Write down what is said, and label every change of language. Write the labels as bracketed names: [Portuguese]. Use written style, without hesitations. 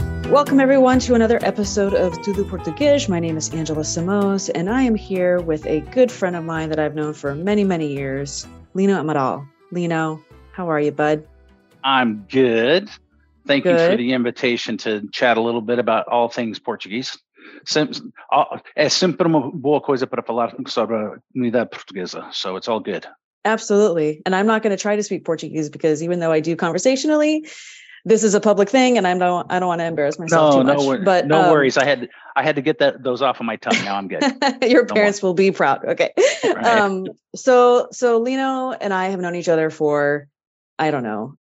[English] Welcome everyone to another episode of Tudo Português. My name is Angela Simões and I am here with a good friend of mine that I've known for many, many years, Lino Amaral. Lino, how are you, bud? I'm good. Thank you for the invitation to chat a little bit about all things Portuguese. [Portuguese] É sempre uma boa coisa para falar sobre a comunidade portuguesa, [English] so it's all good. Absolutely. And I'm not going to try to speak Portuguese because even though I do conversationally, this is a public thing and I don't want to embarrass myself worries. I had to get those off of my tongue. Now I'm good. Your parents will be proud. Okay. Right. So Lino and I have known each other for, I don't know,